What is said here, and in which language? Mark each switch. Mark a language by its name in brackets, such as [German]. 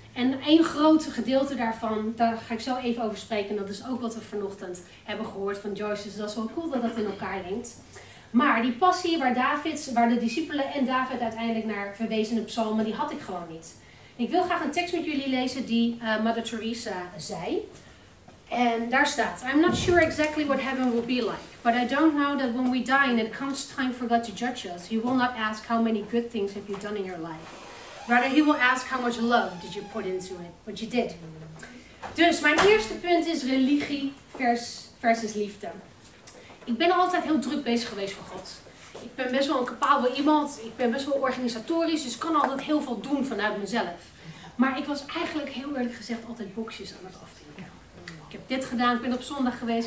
[Dutch] En één grote gedeelte daarvan, daar ga ik zo even over spreken, en dat is ook wat we vanochtend hebben gehoord van Joyce. Dus dat is wel cool dat dat in elkaar linkt. Maar die passie waar de discipelen en David uiteindelijk naar verwezen in de psalmen, die had ik gewoon niet. Ik wil graag een tekst met jullie lezen die Mother Teresa zei. En daar staat, [English] I'm not sure exactly what heaven will be like, but I don't know that when we die and it comes time for God to judge us, he will not ask how many good things have you done in your life. Rather, he will ask how much love did you put into it, what you did. [Dutch] Dus mijn eerste punt is religie versus liefde. Ik ben altijd heel druk bezig geweest voor God. Ik ben best wel een capabel iemand. Ik ben best wel organisatorisch. Dus ik kan altijd heel veel doen vanuit mezelf. Maar ik was eigenlijk heel eerlijk gezegd altijd boxjes aan het aftikken. Ik heb dit gedaan. Ik ben op zondag geweest.